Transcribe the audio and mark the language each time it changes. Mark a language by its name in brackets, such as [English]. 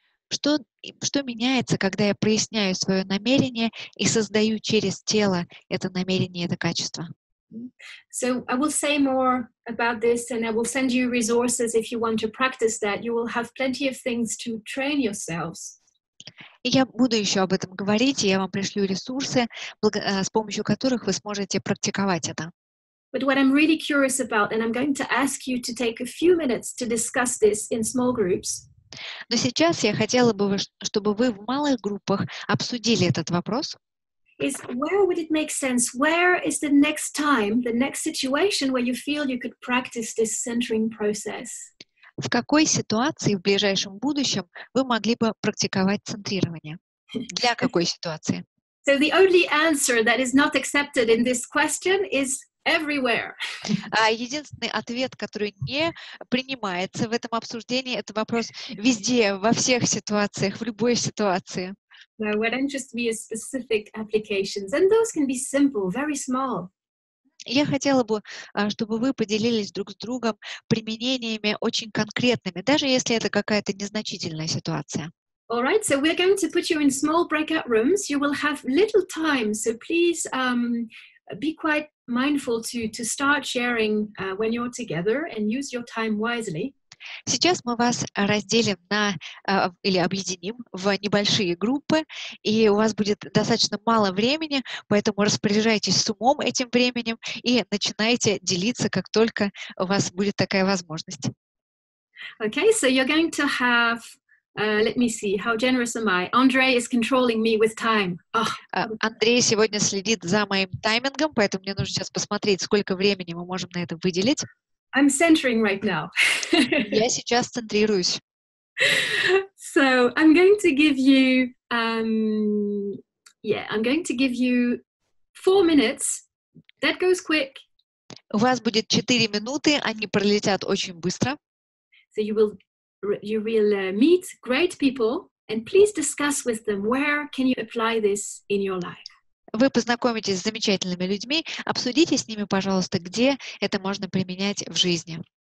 [Russian] Что меняется, когда я проясняю свое намерение и создаю через тело это намерение, это качество? [English] So I will say more about this and I will send you resources if you want to practice that. You will have plenty of things to train yourselves. [Russian] Я буду еще об этом говорить, и я вам пришлю ресурсы, с помощью которых вы сможете практиковать это. [English] But what I'm really curious about, and I'm going to ask you to take a few minutes to discuss this in small groups. [Russian] Но сейчас я хотела бы, чтобы вы в малых группах обсудили этот вопрос. [English] Is where would it make sense? Where is the next time, the next situation where you feel you could practice this centering process? [Russian] В какой ситуации в ближайшем будущем вы могли бы практиковать центрирование? Для какой ситуации? [English] So the only answer that is not accepted in this question is everywhere. [Russian] Единственный ответ, который не принимается в этом обсуждении, это вопрос везде, во всех ситуациях, в любой ситуации. [English] No, what interests me is specific applications, and those can be simple, very small. [Russian] Я хотела бы, чтобы вы поделились друг с другом применениями очень конкретными, даже если это какая-то незначительная ситуация. [English] All right, so we're going to put you in small breakout rooms. You will have little time, so please be quite mindful to start sharing when you're together and use your time wisely. [Russian] Сейчас мы вас разделим на или объединим в небольшие группы, и у вас будет достаточно мало времени, поэтому распоряжайтесь с умом этим временем и начинайте делиться, как только у вас будет такая возможность. [English] Okay, so you're going to have, let me see, how generous am I? Andrei is controlling me with time. Oh. [Russian] Андрей сегодня следит за моим таймингом, поэтому мне нужно сейчас посмотреть, сколько времени мы можем на это выделить. [English] I'm centering right now. [Russian] Я сейчас центрируюсь. [English] So I'm going to give you, I'm going to give you 4 minutes. That goes quick. [Russian] У вас будет 4 минуты, они пролетят очень быстро. [English] So you will meet great people, and please discuss with them where can you apply this in your life. [Russian] Вы познакомитесь с замечательными людьми, обсудите с ними, пожалуйста, где это можно применять в жизни.